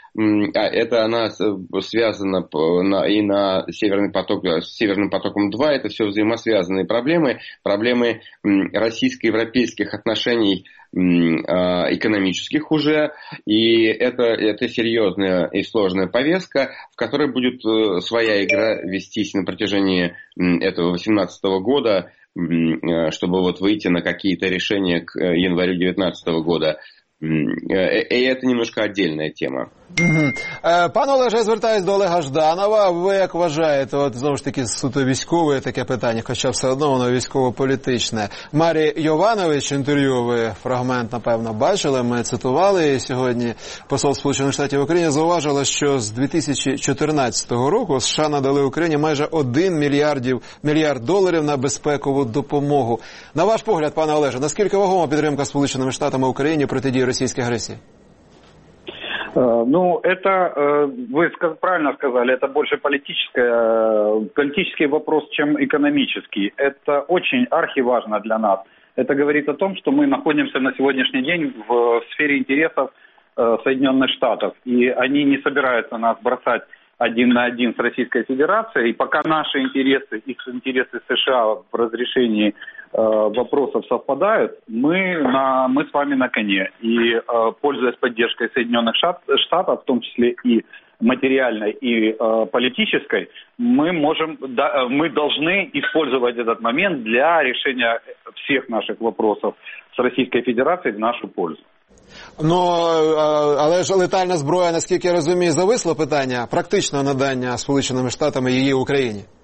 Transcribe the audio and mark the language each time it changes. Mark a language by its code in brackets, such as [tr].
[ru] Это она связана и на Северный поток, с Северным потоком 2, это все взаимосвязанные проблемы, проблемы российско-европейских отношений экономических уже, и это серьезная и сложная повестка, в которой будет своя игра вестись на протяжении этого 2018 года, чтобы вот выйти на какие-то решения к январю 2019 года. [uk] І це [ru] немножко [uk] окрема тема. Пане Олеже, я звертаюсь до Олега Жданова. Ви як вважаєте, от знову ж таки, суто військове таке питання, хоча все одно воно військово-політичне. Марі Йованович, інтерв'ю ви фрагмент, напевно, бачили, ми цитували сьогодні. Посол Сполучених Штатів в Україні зауважила, що з 2014 року США надали Україні майже 1 мільярд доларів на безпекову допомогу. На ваш погляд, пане Олеже, наскільки вагома підтримка Сполученими Штатами Україні протидії [ru] российской агрессии? Ну, это, вы правильно сказали, это больше политический вопрос, чем экономический. Это очень архиважно для нас. Это говорит о том, что мы находимся на сегодняшний день в сфере интересов Соединенных Штатов. И они не собираются нас бросать один на один с Российской Федерацией. И пока наши интересы и интересы США в разрешении вопросов совпадают, мы с вами на коне. И пользуясь поддержкой Соединенных Штатов, в том числе и материальной, и политической, мы должны использовать этот момент для решения всех наших вопросов с Российской Федерацией в нашу пользу. [uk] Ну, але ж летальна зброя, наскільки я розумію, зависло питання практичного надання Сполученими Штатами її Україні.